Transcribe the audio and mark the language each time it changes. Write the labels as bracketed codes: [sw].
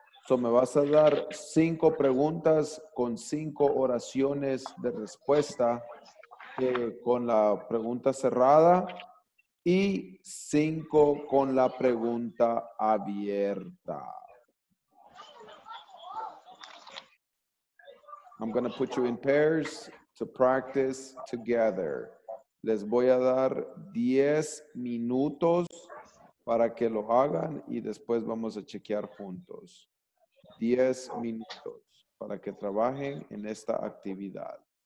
[es] So me vas a dar 5 preguntas con 5 oraciones de respuesta con la pregunta cerrada y 5 con la pregunta abierta. [en] I'm going to put you in pairs to practice together. [es] Les voy a dar 10 minutos para que lo hagan y después vamos a chequear juntos. 10 minutos para que trabajen en esta actividad.